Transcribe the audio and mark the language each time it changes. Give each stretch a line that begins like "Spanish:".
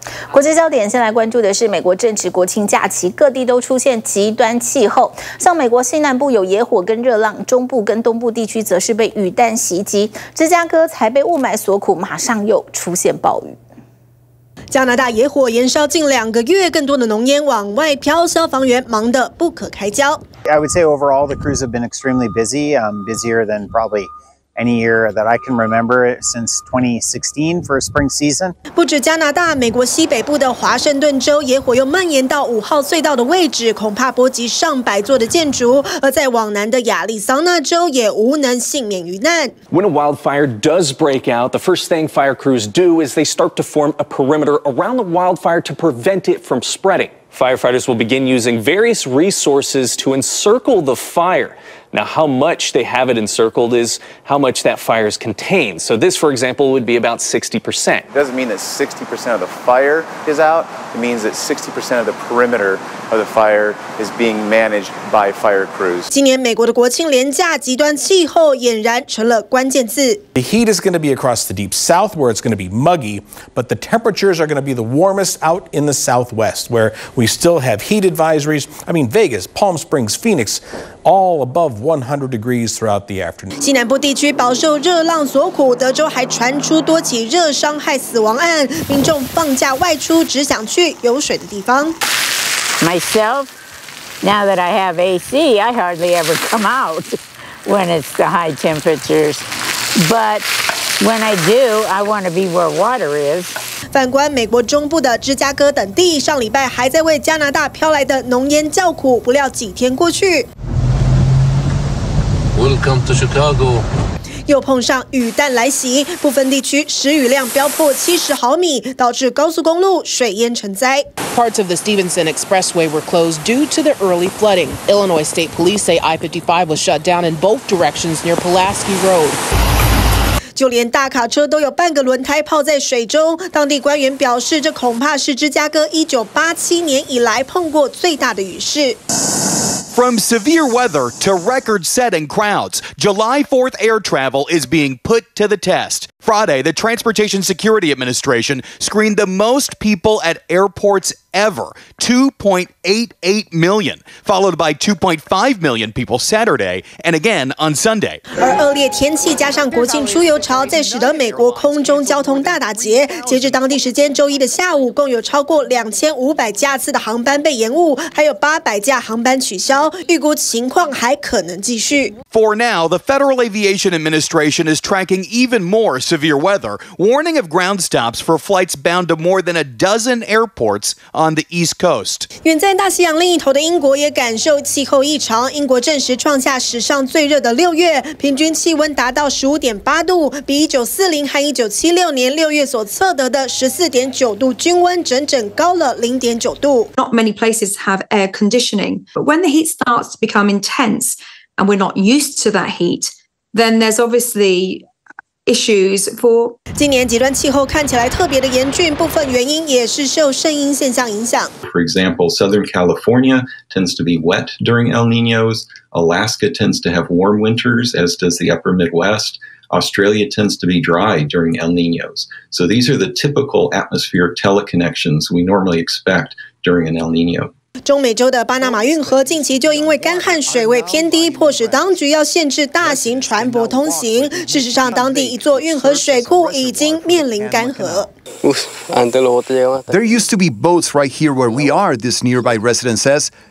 Chinese: 国际焦点先来关注的是美国正值国庆假期，各地都出现极端气候，像美国西南部有野火跟热浪，中部跟东部地区则是被雨弹袭击，芝加哥才被雾霾所苦，马上又出现暴雨。加拿大野火延烧近两个月，更多的浓烟往外飘，消防员忙得不可开交。
English: I would say overall the crews have been extremely busy, busier than probably any year that I can remember since 2016 for a spring season.
Chinese: 不止加拿大，美国西北部的华盛顿州野火又蔓延到五号隧道的位置，恐怕波及上百座的建筑。而在往南的亚利桑那州也无能幸免于难。
English: When a wildfire does break out, the first thing fire crews do is they start to form a perimeter around the wildfire to prevent it from spreading. Firefighters will begin using various resources to encircle the fire. Now, how much they have it encircled is how much that fire is contained. So this, for example, would be about 60%. It doesn't mean that 60% of the fire is out. It means that 60% of the perimeter of the fire is being managed by fire crews.
Chinese: 今年美国的国庆连假，极端气候俨然成了关键字。
English: The heat is going to be across the deep south where it's going to be muggy, but the temperatures are going to be the warmest out in the southwest where we still have heat advisories. I mean, Vegas, Palm Springs, Phoenix, all above. 100 degrees throughout the afternoon.
Chinese: 西南部地区饱受热浪所苦，德州还传出多起热伤害死亡案。民众放假外出，只想去有水的地方。
English: Myself, now that I have AC, I hardly ever come out when it's the high temperatures. But when I do, I want to be where water is.
Chinese: 反观美国中部的芝加哥等地，上礼拜还在为加拿大飘来的浓烟叫苦，不料几天过去。
English: Welcome to Chicago.
Chinese: 又碰上雨弹来袭，部分地区时雨量飙破70毫米，导致高速公路水淹成灾。
English: Parts of the Stevenson Expressway were closed due to the early flooding. Illinois State Police say I-55 was shut down in both directions near Pulaski Road.
Chinese: 就连大卡车都有半个轮胎泡在水中，当地官员表示，这恐怕是芝加哥1987年以来碰过最大的雨势。
English: From severe weather to record-setting crowds, July 4th air travel is being put to the test. Friday, the Transportation Security Administration screened the most people at airports ever, 2.88 million, followed by 2.5 million people Saturday and again on Sunday.
Chinese: 而恶劣天气加上国庆出游潮，在使得美国空中交通大打劫。截至当地时间周一的下午，共有超过2500架次的航班被延误，还有800架航班取消。预估情况还可能继续。
English: For now, the Federal Aviation Administration is tracking even more severe weather, warning of ground stops for flights bound to more than a dozen airports on the East Coast.
Chinese: 远在大西洋另一头的英国也感受气候异常。英国正式创下史上最热的六月，平均气温达到15.8度，比1940和1976年六月所测得的14.9度均温整整高了0.9度。
English: Not many places have air conditioning, but when the heat starts to become intense and we're not used to that heat, then there's obviously issues for
Chinese: 今年极端气候看起来特别的严峻，部分原因也是受圣婴现象影响。
English: For example, Southern California tends to be wet during El Niños. Alaska tends to have warm winters, as does the upper Midwest. Australia tends to be dry during El Niños. So these are the typical atmospheric teleconnections we normally expect during an El Nino.
Chinese: 中美洲的巴拿马运河近期就因为干旱水位偏低，迫使当局要限制大型船舶通行。事实上，当地一座运河水库已经面临干涸。
English: There used to be boats right here where we are, this nearby resident says.